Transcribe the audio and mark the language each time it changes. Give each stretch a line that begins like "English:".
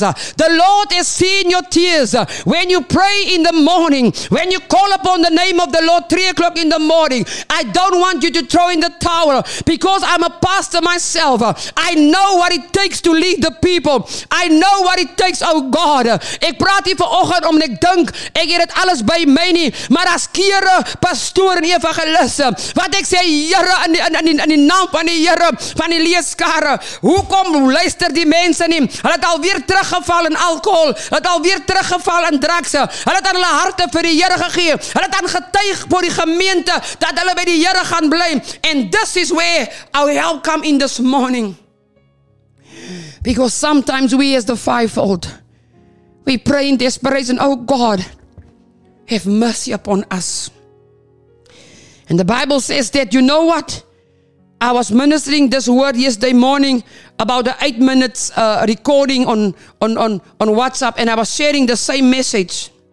English: The Lord has seen your tears. When you pray in the morning, when you call upon the name of the Lord 3 o'clock in the morning, I don't want you to throw in the towel, because I'm a pastor myself. I know what it takes to lead the people. I know what it takes, oh God.
Afrikaans: Ek praat hier vanoggend omdat ek dink ek het dit alles by my nie, maar as kere pastoor en evangeliste wat ek sê, Here, in die naam van die Here, van die leeskare, hoekom luister die mense nie? Hulle het alweer teruggeval in alkohol, hulle het alweer teruggeval in drugs, hulle het aan hulle harte vir die Here gegee, hulle het aan getuig vir die gemeente dat hulle by die Here gaan bly.
English: And this is where our help come in this morning. Because sometimes we as the fivefold, we pray in desperation, oh God, have mercy upon us. And the Bible says that, you know what? I was ministering this word yesterday morning about the 8 minutes recording on WhatsApp, and I was sharing the same message.